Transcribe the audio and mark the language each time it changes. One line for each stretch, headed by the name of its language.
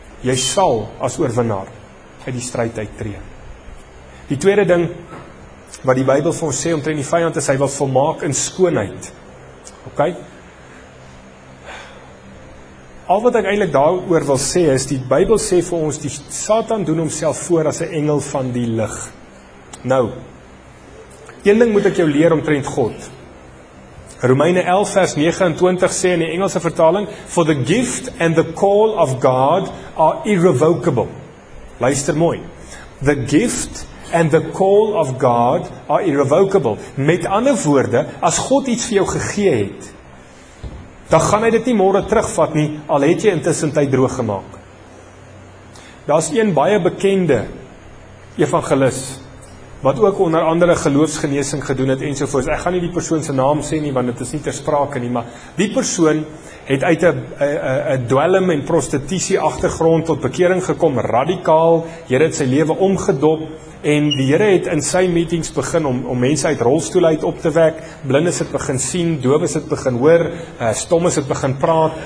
Afrikaans: Jy sal as oorwinnaar uit die stryd uittree. Die tweede ding wat die Bybel vir ons sê omtrent die vijand is, hy wil volmaak in skoonheid. Ok? Al wat ek eintlik daaroor wil sê is, die Bybel sê vir ons, die Satan doen homself voor as 'n engel van die lig. Nou, een ding moet ek jou leer omtrent God. Romeine 11 vers 29 sê in die Engelse vertaling,
English: for the gift and the call of God are irrevocable.
Afrikaans: Luister mooi.
English: The gift and the call of God are irrevocable.
Afrikaans: Met ander woorde, as God iets vir jou gegee het, dan gaan hy dit nie môre terugvat nie, al het jy intussen tyd droog gemaak. Daar is een baie bekende evangelis, wat ook onder andere geloofsgenesing gedoen het ensovoorts. Ek gaan nie die persoon se naam sê nie, want dit is nie ter sprake nie, maar die persoon het uit 'n dwelm en prostitusie agtergrond tot bekering gekom, radikaal. Here het sy lewe omgedop en die Here het in sy meetings begin om mense uit rolstoel uit op te wek, blindes het begin sien, dowes het begin hoor, stommes het begin praat.